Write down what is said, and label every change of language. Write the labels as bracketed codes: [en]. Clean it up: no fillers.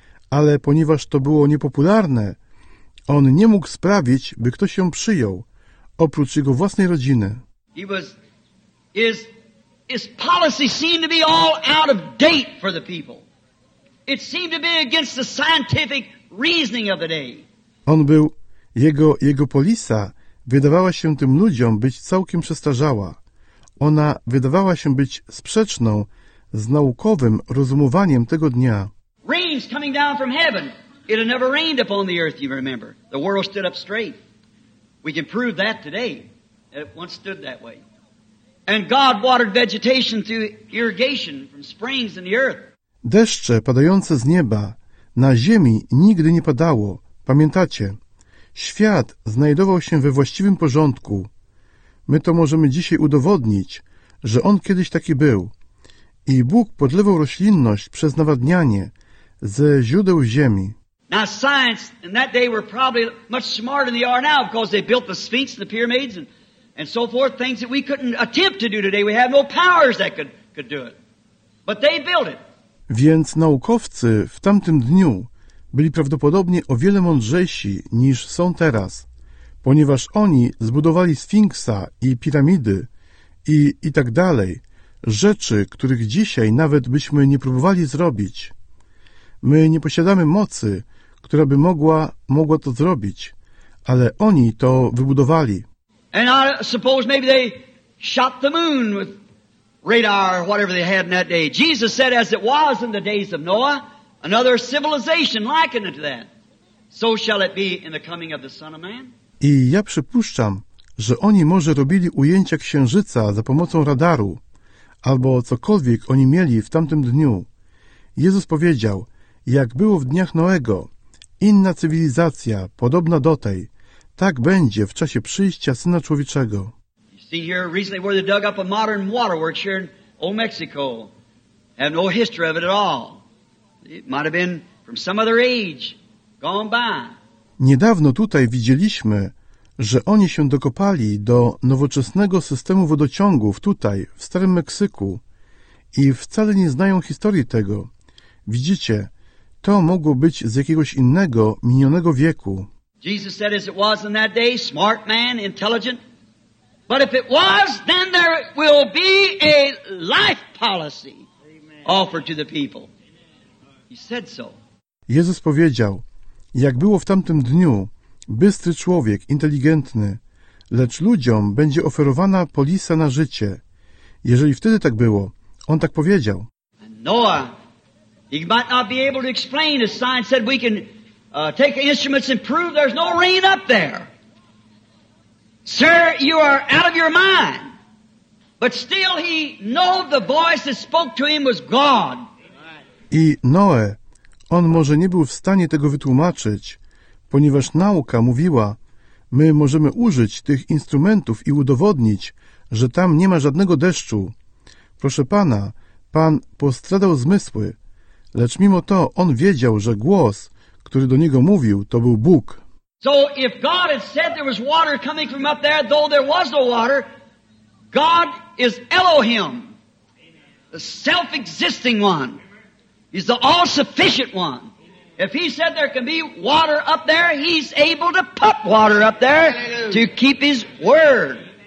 [pl] Ale ponieważ to było niepopularne, on nie mógł sprawić, by ktoś ją przyjął, oprócz jego własnej rodziny. [en] His policy seemed to be all out of date for the people. It seemed to be against the scientific reasoning of the day. [pl] On był, jego polisa wydawała się tym ludziom być całkiem przestarzała. Ona wydawała się być sprzeczną z naukowym rozumowaniem tego dnia. [en] Rain's coming down from heaven. It had never rained upon the earth, you remember. The world stood up straight. We can prove that today. It once stood that way. And God watered vegetation through irrigation from springs in the earth. [pl] Deszcze padające z nieba na ziemi nigdy nie padało. Pamiętacie? Świat znajdował się we właściwym porządku. My to możemy dzisiaj udowodnić, że on kiedyś taki był. I Bóg podlewał roślinność przez nawadnianie ze źródeł ziemi. [en] Now science in that day were probably much smarter than they are now because they built the Sphinx, the pyramids and so forth, things that we couldn't attempt to do today. We have no powers that could do it. But they built it. [pl] Więc naukowcy w tamtym dniu byli prawdopodobnie o wiele mądrzejsi niż są teraz, ponieważ oni zbudowali Sfinksa i piramidy i tak dalej, rzeczy, których dzisiaj nawet byśmy nie próbowali zrobić. My nie posiadamy mocy, która by mogła to zrobić, ale oni to wybudowali. [en] And I suppose maybe they shot the moon with radar or whatever they had in that day. Jesus said, as it was in the days of Noah, another civilization likened unto that. So shall it be in the coming of the Son of Man. [pl] I ja przypuszczam, że oni może robili ujęcia księżyca za pomocą radaru, albo cokolwiek oni mieli w tamtym dniu. Jezus powiedział, jak było w dniach Noego, inna cywilizacja, podobna do tej, tak będzie w czasie przyjścia Syna Człowieczego. [en] You see here recently where they dug up a modern waterworks here in Old Mexico. Have no history of it at all. It might have been from some other age gone by. [pl] Niedawno tutaj widzieliśmy, że oni się dokopali do nowoczesnego systemu wodociągów tutaj, w Starym Meksyku i wcale nie znają historii tego. Widzicie, to mogło być z jakiegoś innego, minionego wieku. [en] Jesus said, as it was in that day, smart man, intelligent. But if it was, then there will be a life policy offered to the people. He said so. [pl] Jezus powiedział, jak było w tamtym dniu, bystry człowiek, inteligentny, lecz ludziom będzie oferowana polisa na życie. Jeżeli wtedy tak było, on tak powiedział. [en] Noah, he might not be able to explain. The science said we can take instruments and prove there's no rain up there. Sir, you are out of your mind. But still he knew the voice that spoke to him was God. [pl] I Noe, on może nie był w stanie tego wytłumaczyć, ponieważ nauka mówiła, my możemy użyć tych instrumentów i udowodnić, że tam nie ma żadnego deszczu. Proszę pana, pan postradał zmysły, lecz mimo to on wiedział, że głos, który do niego mówił, to był Bóg. [en] So if God had said there was water coming from up there, though there was no water, God is Elohim, the self-existing one. He's the all-sufficient one. If he said there can be water up there, he's able to put water up there to keep his word.